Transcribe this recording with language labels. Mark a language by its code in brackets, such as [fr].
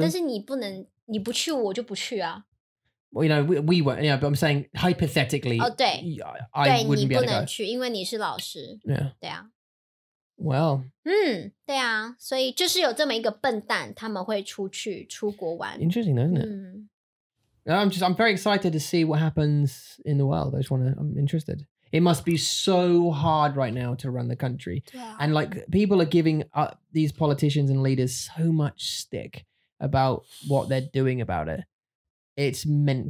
[zh] 但是你不能, 你不去, 我就不去啊。 [en] Well, you know, we weren't, you know, but I'm saying hypothetically, [zh] oh, 对, [en] I [zh] 对, [en] wouldn't be able to go. [zh] 去,因为你是老师. [en] Yeah. [zh] 对啊. [en] Well. [zh] 对啊, 所以就是有这么一个笨蛋, 他们会出去,出国玩. [en] Interesting, though, isn't it? I'm very excited to see what happens in the world. I'm interested. It must be so hard right now to run the country. [zh] 对啊. [en] And like, people are giving these politicians and leaders so much stick about what they're doing about it. It's meant.